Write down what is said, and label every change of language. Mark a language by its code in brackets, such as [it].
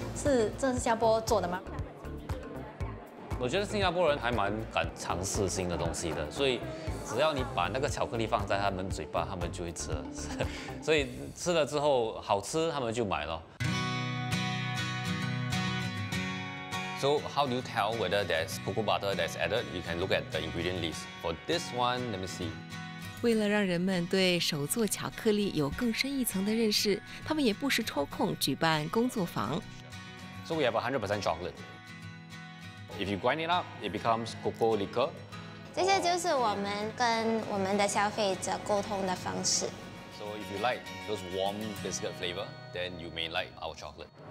[zh] 是真的是新加坡做的吗？” 我觉得新加坡人还蛮敢尝试新的东西的，所以只要你把那个巧克力放在他们嘴巴，他们就会吃了。所以吃了之后好吃，他们就买了。 [en] So how do you tell whether there's cocoa butter that's added? You can look at the ingredient list. For this one, let me see. [zh] 为了让人们对手作巧克力有更深一层的认识，他们也不时抽空举办工作坊。 [en] So we have 100% chocolate. If you grind it up, it becomes cocoa liquor. [zh] 这些就是我们跟我们的消费者沟通的方式。 [en] So if you like those warm biscuit flavor, then you may like our chocolate.